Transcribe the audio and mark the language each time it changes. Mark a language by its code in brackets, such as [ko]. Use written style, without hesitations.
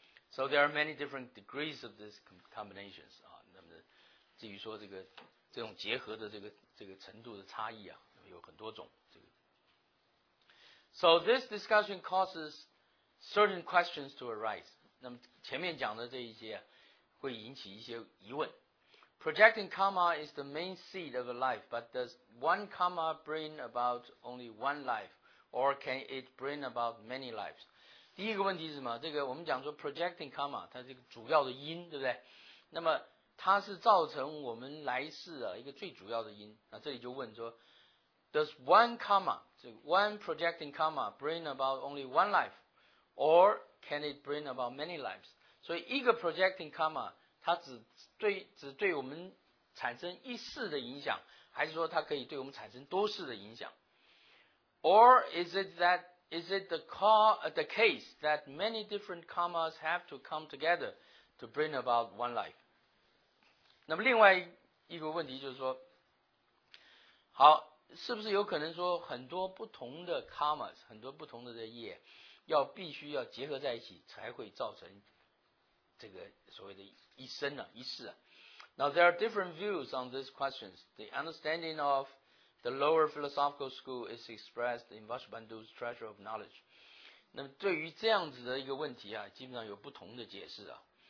[en] So there are many different degrees of these combinations 啊。 [zh] 那么至于说这个。这种结合的这个程度的差异啊，有很多种。 [en] 这个 ，So this discussion causes certain questions to arise. [zh] 那么前面讲的这一些、啊、会引起一些疑问。 [en] Projecting karma is the main seed of a life, but does one karma bring about only one life, or can it bring about many lives? [zh] 第一个问题是什么？这个我们讲说 projecting karma， 它这个主要的因，对不对？那么它是造成我们来世啊一个最主要的因。那这里就问说 [en] ，Does one karma, one projecting karma, bring about only one life, or can it bring about many lives? [zh] 所以一个 projecting karma 它只对我们产生一世的影响，还是说它可以对我们产生多世的影响 ？ [en] Or is it the case that many different karmas have to come together to bring about one life? [zh] 那么另外一个问题就是说，好，是不是有可能说很多不同的 karmas， 很多不同的业，要必须要结合在一起才会造成这个所谓的一生啊，一世啊。 [en] Now there are different views on these questions. The understanding of the lower philosophical school is expressed in Vashbandhu's Treasure of Knowledge. [zh] 那么对于这样子的一个问题啊，基本上有不同的解释啊。